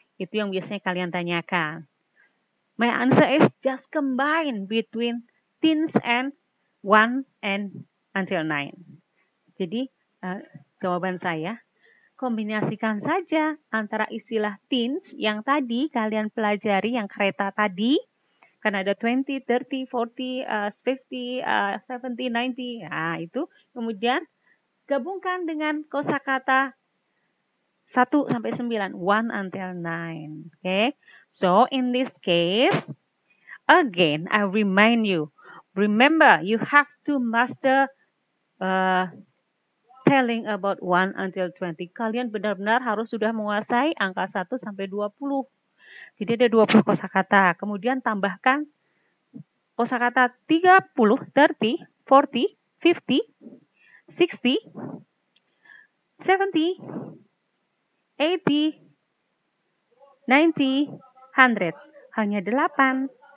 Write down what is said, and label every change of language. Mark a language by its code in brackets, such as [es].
[id] Itu yang biasanya kalian tanyakan. [en] My answer is just combine between tens and 1 and until 9. [id] Jadi, jawaban saya, kombinasikan saja antara istilah teens yang tadi kalian pelajari, yang kereta tadi, karena ada 20, 30, 40, 50, 70, 90, nah itu. Kemudian, gabungkan dengan kosakata 1 sampai 9, 1 until 9. Okay? [en] So, in this case, again, I remind you, remember, you have to master telling about 1 until 20. [id] Kalian benar-benar harus sudah menguasai angka 1 sampai 20. Jadi ada 20 kosakata. Kemudian tambahkan kosakata 30, 30, 40, 50, 60, 70, 80, 90, 100. Hanya 8.